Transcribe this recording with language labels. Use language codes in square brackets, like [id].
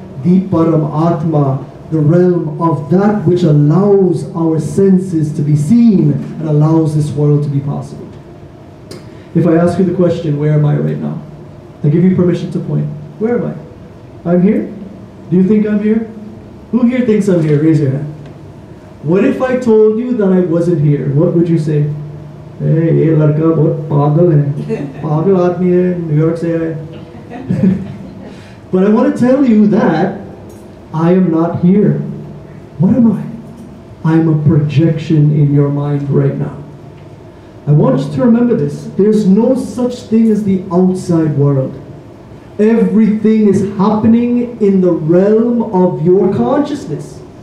[en] The Paramatma, the realm of that which allows our senses to be seen and allows this world to be possible. If I ask you the question, where am I right now? I give you permission to point. Where am I? I'm here? Do you think I'm here? Who here thinks I'm here? Raise your hand. What if I told you that I wasn't here? What would you say? [hi] हे, ये लड़का बहुत पागल है। पागल आदमी है, New York से आया। [en] But I want to tell you that I am not here. What am I? I'm a projection in your mind right now. I want you to remember this. There's no such thing as the outside world. Everything is happening in the realm of your consciousness.